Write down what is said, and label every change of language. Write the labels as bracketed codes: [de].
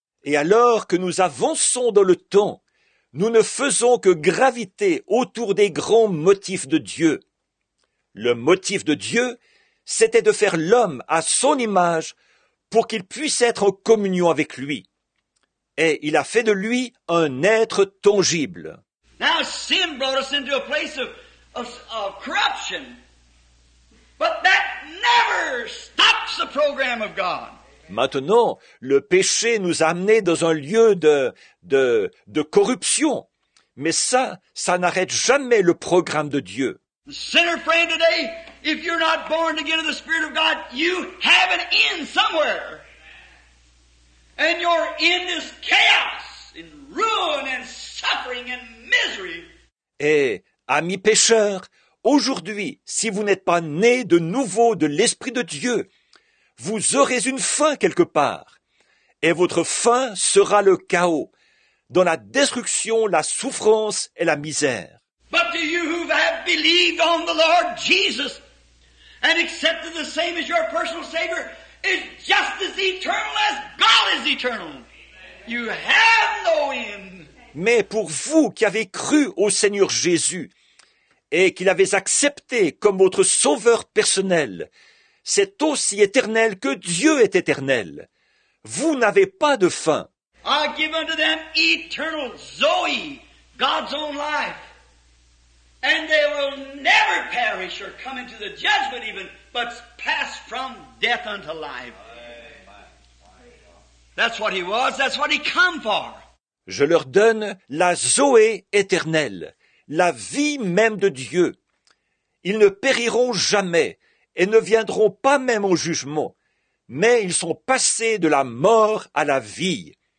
[fr] Et alors que nous avançons dans le temps, nous ne faisons que graviter autour des grands motifs de Dieu. Le motif de Dieu, c'était de faire l'homme à son image pour qu'il puisse être en communion avec lui. Et il a fait de lui un être tangible. [en] Now sin brought us into a place of corruption. But that never stops the program of God. [fr] Maintenant, le péché nous a amenés dans un lieu de corruption. Mais ça n'arrête jamais le programme de Dieu. [en] Sinner friend today, if you're not born again of the Spirit of God, you have an end somewhere. And your end is chaos, and ruin, and suffering, and misery. [fr] Et, ami pécheur, aujourd'hui, si vous n'êtes pas né de nouveau de l'Esprit de Dieu, vous aurez une fin quelque part, et votre fin sera le chaos, dans la destruction, la souffrance et la misère. [en] But to you who have believed on the Lord Jesus and accepted the same as your personal Savior, is just as eternal as God is eternal. You have no end. [fr] Mais pour vous qui avez cru au Seigneur Jésus et qui l'avez accepté comme votre sauveur personnel, c'est aussi éternel que Dieu est éternel. Vous n'avez pas de fin. [en] I give unto them eternal Zoe, God's own life. And they will never perish or come into the judgment even, but pass from death unto life. That's what he was, that's what he come for. [fr] Je leur donne la Zoé éternelle, la vie même de Dieu. Ils ne périront jamais et ne viendront pas même au jugement, mais ils sont passés de la mort à la vie.